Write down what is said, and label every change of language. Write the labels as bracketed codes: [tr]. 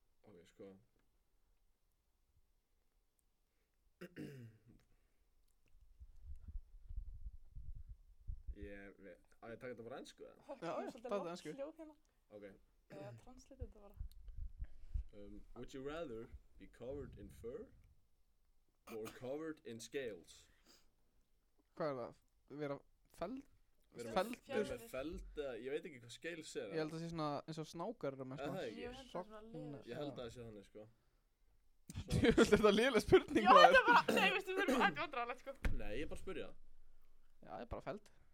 [is] Ok, sko. Ég veit, að ég taka þetta bara ensku eða? Já, þetta er ensku. Ok. Eða translita þetta bara. [en] Would you rather be covered in fur or covered in scales? [is] Hvað er það? Vera feld? Vera með feld eða, ég veit ekki hvað scales er. Ég held að það sé svona eins og snákar eru með svona. Ég held að það sé þannig, sko. Þú veist þetta lélega spurning. Já, þetta bara, nei, veistu, við erum ekki vandræðlegt, sko. Nei, ég bara spurja. Já, það er bara feld.